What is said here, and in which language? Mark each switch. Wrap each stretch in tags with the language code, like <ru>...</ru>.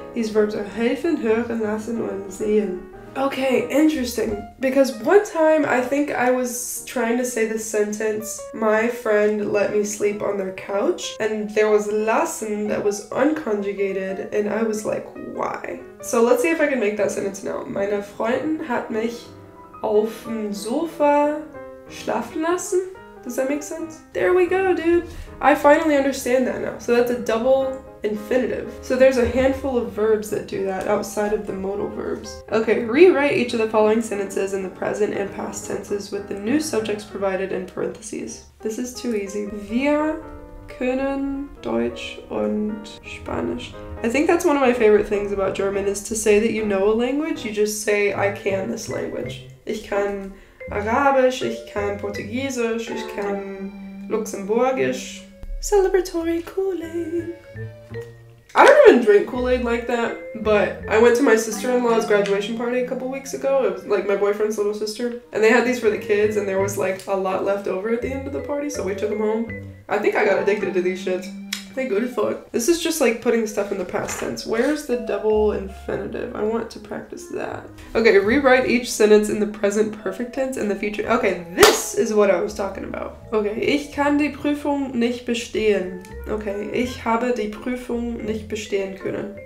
<en>These verbs are</en> <de>helfen, hören, lassen, und sehen.</de> <en>Okay, interesting. Because one time, I think I was trying to say the sentence, my friend let me sleep on their couch, and there was lassen that was unconjugated, and I was like, why? So let's see if I can make that sentence now.</en> <de>Meine Freundin hat mich auf dem Sofa schlafen lassen.</de> <en>Does that make sense? There we go, dude. I finally understand that now. So that's a double infinitive. So there's a handful of verbs that do that outside of the modal verbs. Okay, rewrite each of the following sentences in the present and past tenses with the new subjects provided in parentheses. This is too easy.</en> <de>Wir können Deutsch und Spanisch.</de> <en>I think that's one of my favorite things about German is to say that you know a language, you just say, I can this language.</en> <de>Ich kann Arabisch, ich kann Portugiesisch, ich kann Luxemburgisch.</de> <en>Celebratory Kool-Aid. I don't even drink Kool-Aid like that, but I went to my sister-in-law's graduation party a couple weeks ago. It was like my boyfriend's little sister, and they had these for the kids, and there was like a lot left over at the end of the party, so we took them home. I think I got addicted to these shits. They good fuck. This is just like putting stuff in the past tense. Where's the double infinitive? I want to practice that. Okay, rewrite each sentence in the present perfect tense and the future. Okay, this is what I was talking about.</en> <de>Okay, ich kann die Prüfung nicht bestehen. Okay, ich habe die Prüfung nicht bestehen können.</de>